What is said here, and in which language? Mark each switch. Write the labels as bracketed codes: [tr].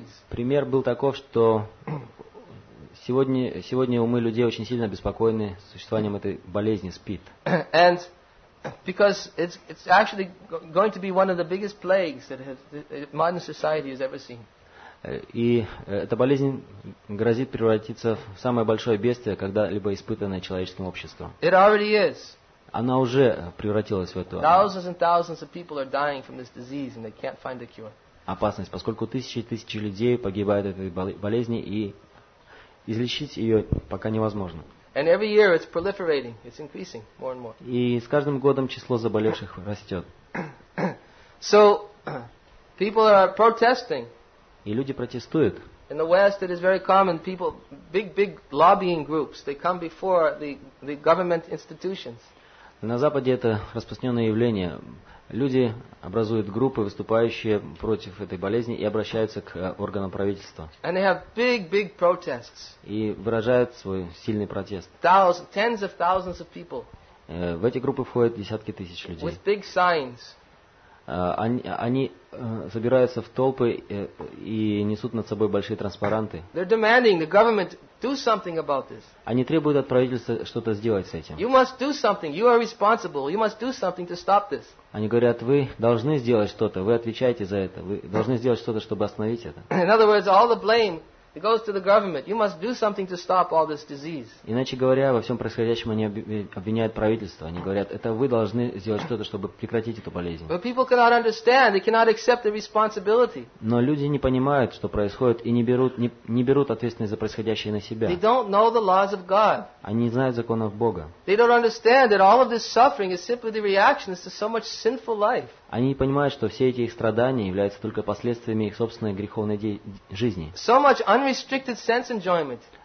[ru] Пример был таков, что сегодня умы людей очень сильно обеспокоены существованием этой болезни СПИД. [en] Because it's actually going to be one of the biggest plagues that modern society has ever seen. [ru] И эта болезнь грозит превратиться в самое большое бедствие, когда-либо испытанное человеческим обществом. [en] It already is. [ru] Она уже превратилась в это. [en] Thousands and thousands of people are dying from this disease, and they can't find a cure. [ru] Опасность, поскольку тысячи и тысячи людей погибают от этой болезни, и излечить ее пока невозможно. [en] And every year it's proliferating, it's increasing more and more. [ru] И с каждым годом число заболевших растет. [en] So people are protesting. [ru] И люди протестуют. [en] In the West, it is very common. People, big lobbying groups, they come before the government institutions. [ru] На Западе это распространенное явление. Люди образуют группы, выступающие против этой болезни, и обращаются к органам правительства. [en] And they have big protests. [ru] И выражают свой сильный протест. [en] Tens of thousands of people. [ru] В эти группы входят десятки тысяч людей. [en] With big signs. [ru] Они собираются в толпы и несут над собой большие транспаранты. [en] They're demanding the government do something about this. [ru] Они требуют от правительства что-то сделать с этим. [en] You must do something. You are responsible. You must do something to stop this. [ru] Они говорят, вы должны сделать что-то. Вы отвечаете за это. Вы должны сделать что-то, чтобы остановить это. [en] In other words, all the blame goes to the government. You must do something to stop all this disease. [ru] Иначе говоря, во всем происходящем они обвиняют правительство. Они говорят, это вы должны сделать что-то, чтобы прекратить эту болезнь. [en] But people cannot understand. They cannot accept the responsibility. [ru] Но люди не понимают, что происходит, и не берут ответственность за происходящее на себя. [en] They don't know the laws of God. [ru] Они не знают законов Бога. [en] They don't understand that all of this suffering is simply the reaction to so much sinful life. [ru] Они не понимают, что все эти их страдания являются только последствиями их собственной греховной жизни. [en] So much unrestricted sense enjoyment.